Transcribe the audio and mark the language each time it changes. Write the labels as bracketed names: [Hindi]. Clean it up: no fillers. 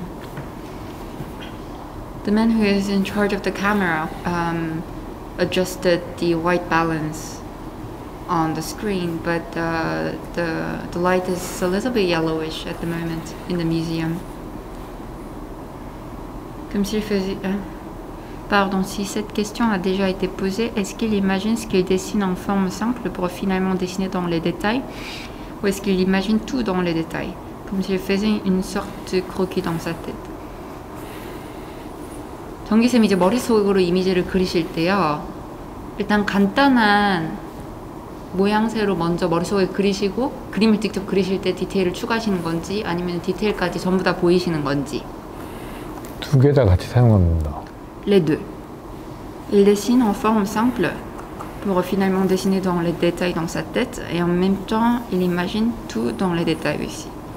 [Korean] 실제로는 노란 쪽. [English] The man who is in charge of the camera adjusted the white balance on the screen, but the light is a little bit yellowish at the moment in the museum. [French] Comme s'il faisait... Pardon, si cette question a déjà été posée, est-ce qu'il imagine ce qu'il dessine en forme simple pour finalement dessiner dans les détails, ou est-ce qu'il imagine tout dans les détails, comme s'il faisait une sorte de croquis dans sa tête? [Korean] 정기쌤 이제 머릿속으로 이미지를 그리실 때요. 일단 간단한 모양새로 먼저 머릿속에 그리시고 그림을 직접 그리실 때 디테일을 추가하시는 건지 아니면 디테일까지 전부 다 보이시는 건지 두 개 다 같이 사용합니다. [French] Les deux. Il dessine en forme simple pour finalement dessiner dans les détails dans sa tête et en même temps il imagine tout dans les détails aussi.